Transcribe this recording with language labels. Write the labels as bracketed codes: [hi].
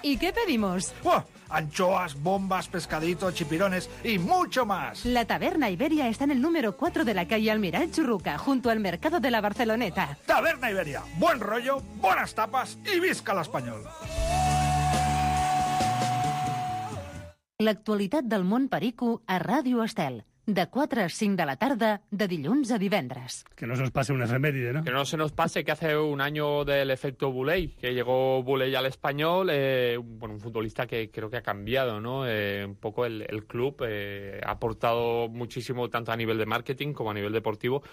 [es] ¿Y qué pedimos? ¡Buah! Anchoas, bombas, pescadito, chipirones y mucho más. La Taberna Iberia está en el número 4 de la calle Almirall Churruca, junto al mercado de la Barceloneta. Taberna Iberia. Buen rollo, buenas tapas y visca el español. [ca] L'actualitat del món perico a Ràdio Estel. De 4 a 5 de la tarda, de dilluns a divendres. [es] Que no se nos pase un efeméride, ¿no? Que no se nos pase que hace un año del efecto Buley, que llegó Buley al Español, bueno, un futbolista que creo que ha cambiado, ¿no? Un poco el club, ha aportado muchísimo tanto a nivel de marketing como a nivel deportivo.